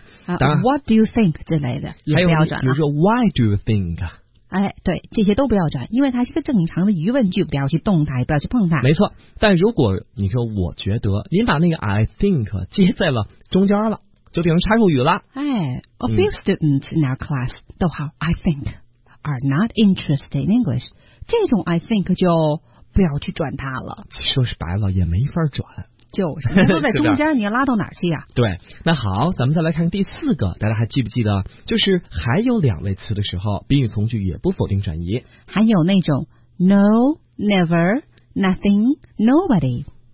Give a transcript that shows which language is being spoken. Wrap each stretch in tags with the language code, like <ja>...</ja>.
<en>what do you think</en> <zh>之类的也不要转了。比如说</zh> <en>why do you think？</en> <zh>哎，对，这些都不要转，因为它是个正常的疑问句，不要去动它，也不要去碰它。没错，但如果你说我觉得，您把那个 I think 接在了中间了，就变成插入语了。哎 ，</zh> <en>a few students in our class 逗号 I think are not interested in English，</en> <zh>这种 I think 就不要去转它了。说是白了，也没法转。就是，都在中间，你要拉到哪儿去呀、啊？对，那好，咱们再来看第四个，大家还记不记得？就是还有两类词的时候，宾语从句也不否定转移。还有那种 no、never、nothing、nobody，</zh>